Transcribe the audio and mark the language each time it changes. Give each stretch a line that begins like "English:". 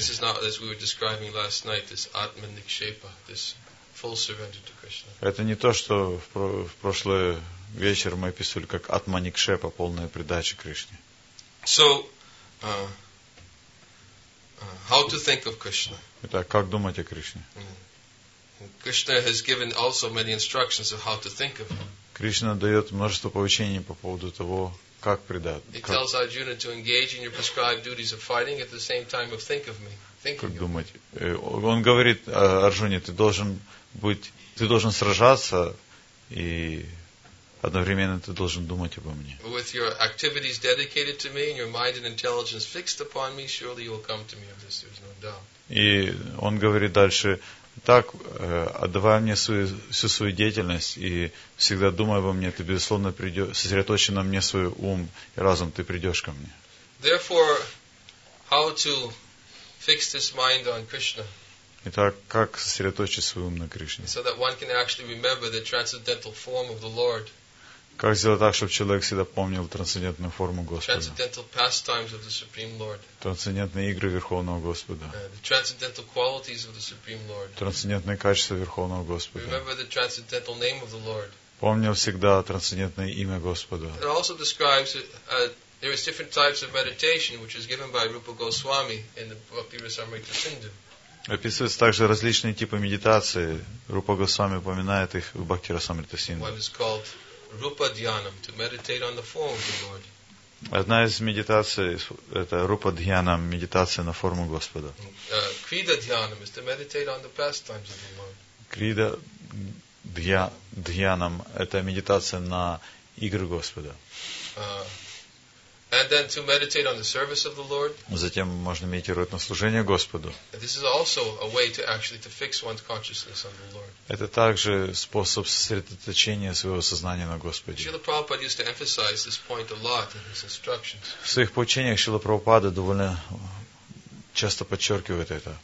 English: This is not, as we were describing last night, this Atman Nikshepa, this full surrender to Krishna.
Russian: Это не то, что в прошлый вечер мы описывали как Atman Nikshepa, полная предача Кришне.
English: So, how to think of Krishna?
Russian: Итак, как думать о Кришне?
English: Krishna has given also many instructions of how to think of him.
Russian: Кришна дает множество поучений по поводу того, как предать.
English: He tells Arjuna to engage in your prescribed duties of fighting at the same time of think of me.
Russian: Как думать? Он говорит Арджуне: ты должен сражаться и одновременно ты должен думать обо мне.
English: With your activities dedicated to me and your mind and intelligence fixed upon me, surely you will come to me of this, there's no doubt.
Russian: И он говорит дальше: так, отдавай мне всю свою деятельность и всегда думай обо мне, ты безусловно придешь, сосредоточи на мне свой ум и разум, ты придешь ко мне.
English: Therefore, how to fix this mind on Krishna?
Russian: Итак, как сосредоточить свой ум на Кришне?
English: So that one can actually remember the transcendental form of the Lord.
Russian: Как сделать так, чтобы человек всегда помнил трансцендентную форму Господа?
English: Transcendental pastimes of the Supreme Lord.
Russian: Трансцендентные игры Верховного Господа.
English: The transcendental qualities of the Supreme Lord.
Russian: Трансцендентные качества Верховного Господа.
English: Remember the transcendental name of the Lord.
Russian: Помнил всегда трансцендентное имя Господа.
English: It also describes there is different types of meditation, which is given by Rupa Goswami in the Bhaktivinoda Sindhu.
Russian: Описываются также различные типы медитации. Рупа Госвами упоминает их в Бхактирасамрита Синду.
English: One is called Rupa Dhyanam, to meditate on the form of the Lord.
Russian: Одна из медитаций это Rupa Dhyanam, медитация на форму Господа.
English: Krida Dhyanam is to meditate on the pastimes of the Lord.
Russian: Krida Dhyanam это медитация на игры Господа.
English: And then to meditate on the service of the Lord.
Russian: Затем можно медитировать на служение Господу.
English: This is also a way to actually to fix one's consciousness on the Lord.
Russian: Это также способ сосредоточения своего сознания на Господе.
English: Srila Prabhupada used to emphasize this point a lot in his instructions.
Russian: В своих поучениях Шрила Прабхупада довольно часто подчеркивает это.